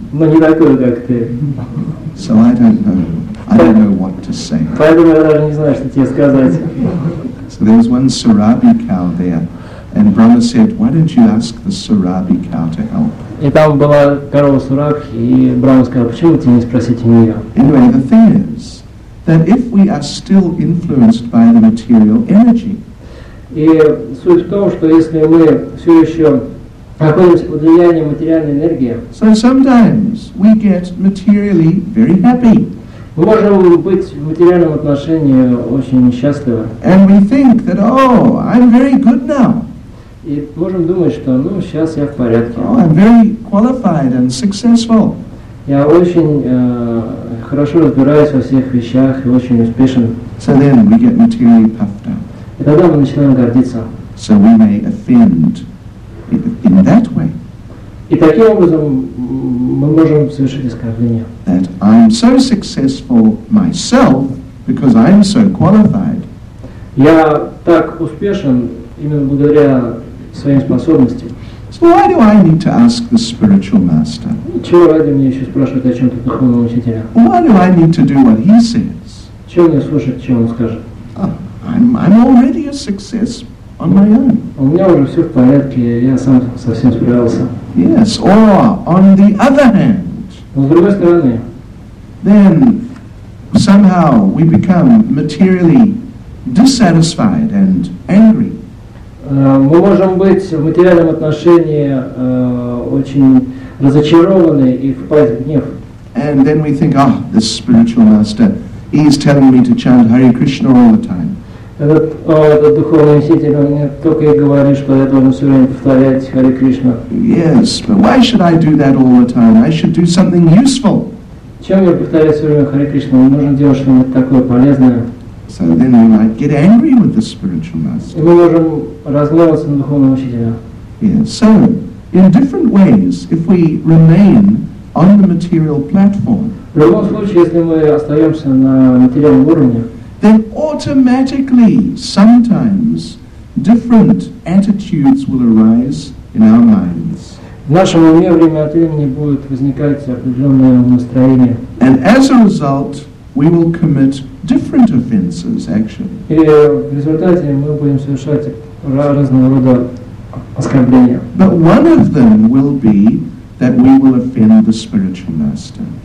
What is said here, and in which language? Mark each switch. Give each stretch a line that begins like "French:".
Russian: Но не такой, как ты.
English: So I don't know what to say.
Russian: Поэтому я даже не знаю, что тебе сказать.
English: So there was one Sarabi cow there, and Brahma said, why don't you ask the Sarabi cow to help?
Russian: И там была корова Сурак, и Брахма сказал, почему тебе не спросить у нее?
English: Anyway, the thing is, that if we are still influenced by the material energy.
Russian: И суть в том, что если мы все еще находимся под влиянием материальной энергии.
English: So sometimes we get materially very happy.
Russian: Мы можем быть в материальном отношении очень несчастливы.
English: And we think that, oh, I'm very good now.
Russian: И можем думать, что, ну, сейчас я в порядке.
English: Oh, I'm very qualified and successful.
Russian: Я очень хорошо разбираюсь во всех вещах и очень успешен.
English: So then we get materially puffed up.
Russian: И тогда мы начинаем гордиться.
English: So we may offend. In that way.
Russian: И таким образом мы можем совершить оскорбление.
English: That I'm so successful myself because I'm so qualified.
Russian: Я так успешен именно благодаря своим способностям.
English: So why do I need to ask the spiritual master?
Russian: Чего ради мне еще спрашивать о чем-то духовного учителя?
English: Why do I need to do what he says?
Russian: Чего мне слушать, чего он скажет?
English: I'm already a success. On my own.
Russian: У меня уже все в порядке, я сам совсем справился.
English: Yes, or on the other hand.
Russian: Но с другой стороны,
English: then somehow we become materially dissatisfied and angry.
Russian: Мы можем быть в материальном отношении очень разочарованы и впасть в гнев.
English: And then we think, ah, this spiritual master, he's telling me to chant Hare Krishna all the time.
Russian: Этот духовный учитель мне только и говорит, что я должен все время повторять Хари Кришна.
English: Yes, but why should I do that all the time? I should do something useful.
Russian: Чем я повторяю все время Хари Кришна? Мне нужно делать что-нибудь такое полезное.
English: So then we might get angry with the spiritual master.
Russian: Мы можем разгневаться на духовного учителя.
English: Yes, so in different ways, if we remain on the material platform,
Russian: в любом случае, если мы остаемся на материальном уровне,
English: then automatically, sometimes, different attitudes will arise in our minds.
Russian: В нашем уме время от времени будет возникать определенное настроение.
English: And as a result, we will commit different offenses, actually.
Russian: И в результате мы будем совершать разного рода оскорбления.
English: But one of them will be that we will offend the spiritual master.